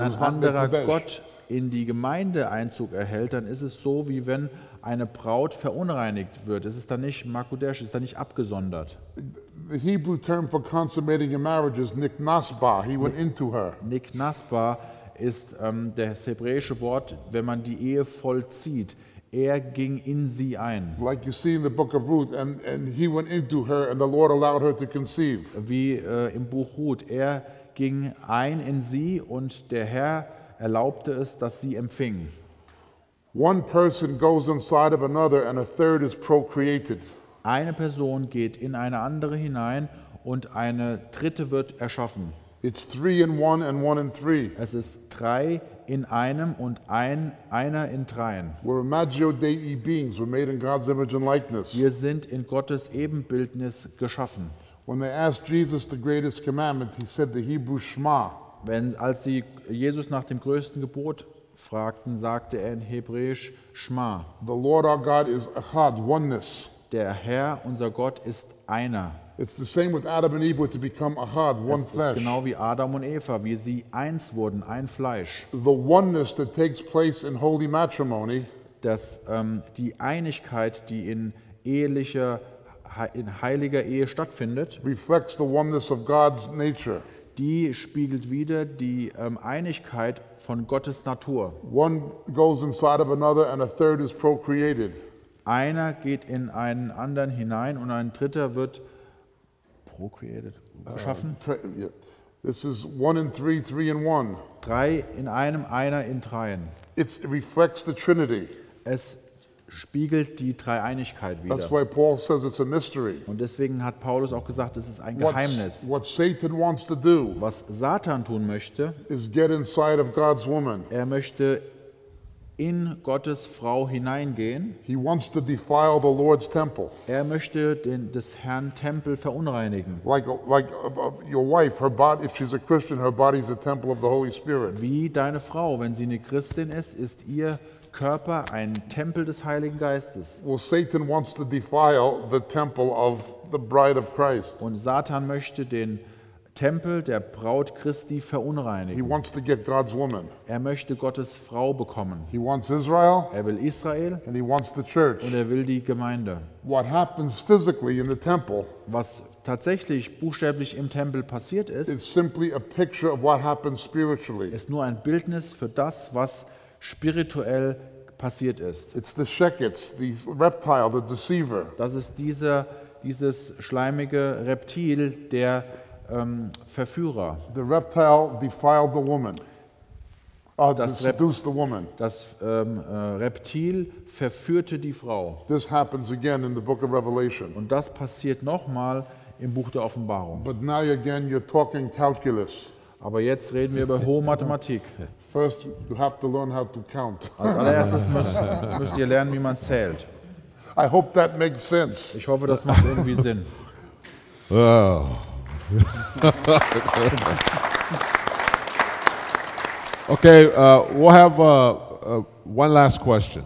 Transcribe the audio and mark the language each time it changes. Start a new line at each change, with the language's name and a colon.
German: Wenn ein anderer Gott in die Gemeinde Einzug erhält, dann ist es so, wie wenn eine Braut verunreinigt wird. Es ist dann nicht makudesh, es ist dann nicht abgesondert.
English: The Hebrew term for consummating a marriage is niknasba. He went into her.
German: Niknasba ist das hebräische Wort, wenn man die Ehe vollzieht. Er ging in sie ein.
English: Like you see in the book of Ruth, and he went into her, and the Lord allowed her to conceive.
German: Wie im Buch Ruth, er ging ein in sie, und der Herr erlaubte es, dass sie empfing.
English: One person goes inside of another, and a third is procreated.
German: Eine Person geht in eine andere hinein, und eine dritte wird erschaffen.
English: It's three in one, and one in three.
German: Es ist drei in einem und einer in dreien.
English: We're imago Dei beings. We're made in God's image and likeness.
German: Wir sind in Gottes Ebenbildnis geschaffen.
English: When they asked Jesus the greatest commandment, he said the Hebrew Shema.
German: Wenn als sie Jesus nach dem größten Gebot fragten, sagte er in Hebräisch Shema.
English: The Lord our God is Echad, oneness.
German: Der Herr unser Gott ist einer.
English: It's the same with Adam and Eve to become Ahad, one flesh.
German: Genau wie Adam und Eva, wie sie eins wurden, ein Fleisch.
English: The oneness that takes place in holy matrimony.
German: Die Einigkeit, die in ehelicher, in heiliger Ehe stattfindet,
English: reflects the oneness of God's nature.
German: Die spiegelt wieder die Einigkeit von Gottes Natur.
English: One goes inside of another and a third is procreated.
German: Einer geht in einen anderen hinein und ein dritter wird procreated, geschaffen.
English: This is one in three, three in one.
German: Drei in einem, einer in dreien.
English: It reflects the Trinity.
German: Es spiegelt die Dreieinigkeit wieder.
English: That's why Paul says it's a mystery.
German: Und deswegen hat Paulus auch gesagt, es ist ein Geheimnis.
English: What Satan wants to do,
German: was Satan tun möchte,
English: is get inside of God's woman.
German: Er möchte in Gottes Frau hineingehen.
English: He wants to defile the Lord's temple.
German: Er möchte den des Herrn Tempel verunreinigen.
English: Like your wife, her body, if she's a Christian, her body's a temple of the Holy Spirit.
German: Wie deine Frau, wenn sie eine Christin ist, ist ihr Körper ein Tempel des Heiligen Geistes.
English: Well, Satan wants to defile the temple of the bride of Christ.
German: Und Satan möchte den Tempel der Braut Christi verunreinigen.
English: He wants to get God's woman.
German: Er möchte Gottes Frau bekommen.
English: He wants Israel.
German: Er will Israel.
English: And he wants the church.
German: Und er will die Gemeinde.
English: What happens physically in the temple?
German: Was tatsächlich buchstäblich im Tempel passiert ist,
English: it's simply a picture of what happens spiritually.
German: Ist nur ein Bildnis für das, was spirituell passiert ist.
English: It's the Sheketz, the reptile, the deceiver.
German: Das ist dieses schleimige Reptil, der Verführer.
English: The reptile defiled the woman. Seduced the woman.
German: Das Reptil verführte die Frau.
English: This happens again in the book of Revelation.
German: Und das passiert nochmal im Buch der Offenbarung.
English: But now again you're talking calculus.
German: Aber jetzt reden wir über hohe Mathematik.
English: First you have to learn how to count.
German: Als allererstes müsst ihr lernen, wie man zählt.
English: I hope that makes sense.
German: Ich hoffe, das macht irgendwie Sinn. Oh.
English: Okay, we'll have one last question.